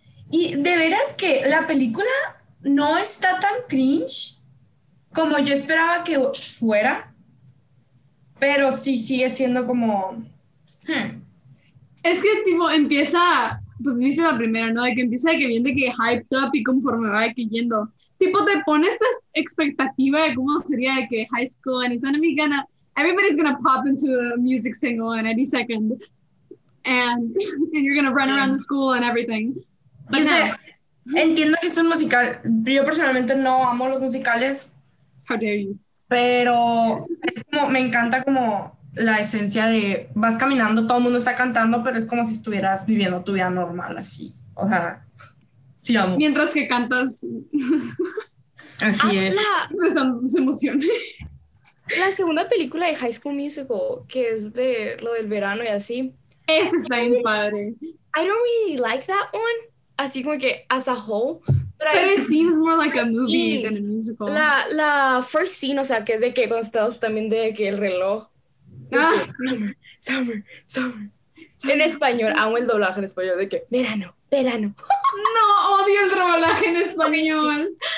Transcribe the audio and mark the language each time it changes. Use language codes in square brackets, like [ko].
[es] Y de veras que la película no está tan cringe como yo esperaba que fuera. Pero sí sigue siendo como... Es que tipo empieza, pues dice la primera, ¿no? De que empieza de que viene de que hyped up y conforme va de que yendo. Tipo te pone esta expectativa de cómo sería de que high school and it's gonna be gonna... [en] Everybody's gonna pop into a music single in any second, and you're gonna run around the school and everything. [es] Pues no. Entiendo que es un musical. Yo personalmente no amo los musicales. [en] How dare you? [es] Pero es como me encanta como la esencia de vas caminando, todo el mundo está cantando, pero es como si estuvieras viviendo tu vida normal así. O sea, sí amo. Mientras que cantas. Así es. Prestando emociones. La segunda película de High School Musical, que es de lo del verano y así. Ese está bien padre. [en] I don't really like that one. Así como que as a whole. But it seems more like a movie scenes. Than a musical. [es] La first scene, o sea, que es de que cuando estamos también de que el reloj. Summer. En español, amo el doblaje en español de que verano. No, odio el doblaje en español.